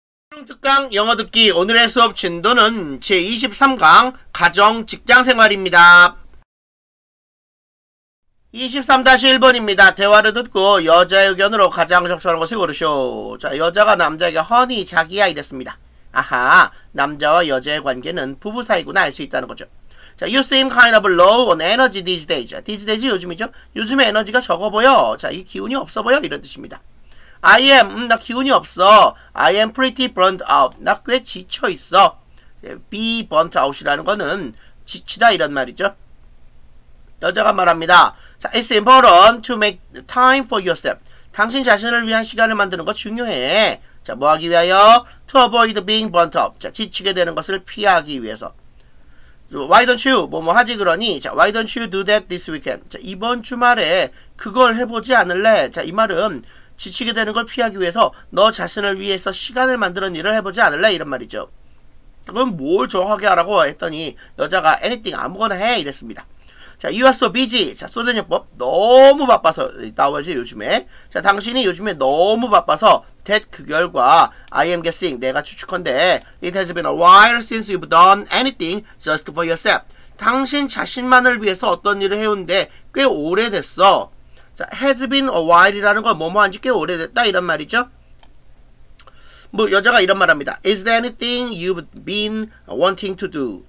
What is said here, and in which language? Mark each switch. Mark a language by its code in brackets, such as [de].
[ko] 수능특강 영어듣기 오늘의 수업 진도는 제23강 가정직장생활입니다. 23-1번입니다. 대화를 듣고 여자의 의견으로 가장 적절한 것을 고르쇼. 자, 여자가 남자에게 허니 자기야 이랬습니다. 아하, 남자와 여자의 관계는 부부 사이구나 알 수 있다는 거죠. [en] 자, you seem kind of low on energy these days. These days [ko] 요즘이죠. 요즘에 에너지가 적어 보여. 자, 이 기운이 없어 보여. 이런 뜻입니다. [en] I am, [ko] 나 기운이 없어. [en] I am pretty burnt out. [ko] 나 꽤 지쳐 있어. Be burnt out이라는 거는 지치다 이런 말이죠. 여자가 말합니다. [en] 자, it's important to make time for yourself. [ko] 당신 자신을 위한 시간을 만드는 거 중요해. 자, 뭐 하기 위하여? [en] To avoid being burnt out. [ko] 자, 지치게 되는 것을 피하기 위해서. [en] Why don't you? [ko] 뭐 하지 그러니? [en] 자, why don't you do that this weekend? [ko] 자, 이번 주말에 그걸 해보지 않을래? 자, 이 말은 지치게 되는 걸 피하기 위해서 너 자신을 위해서 시간을 만드는 일을 해보지 않을래? 이런 말이죠. 그럼 뭘 정확하게 하라고 했더니 여자가 [en] anything, [ko] 아무거나 해 이랬습니다. 자, [en] you are so busy. [ko] 자, 소대녀법. 너무 바빠서 나오지 요즘에. 자, 당신이 요즘에 너무 바빠서 [en] that [ko] 그 결과 [en] I am guessing [ko] 내가 추측한데 [en] it has been a while since you've done anything just for yourself. [ko] 당신 자신만을 위해서 어떤 일을 해온데 꽤 오래됐어. 자, [en] has been a while [ko] 이라는 건 뭐뭐한지 꽤 오래됐다 이런 말이죠. 뭐 여자가 이런 말합니다. [en] Is there anything you've been wanting to do?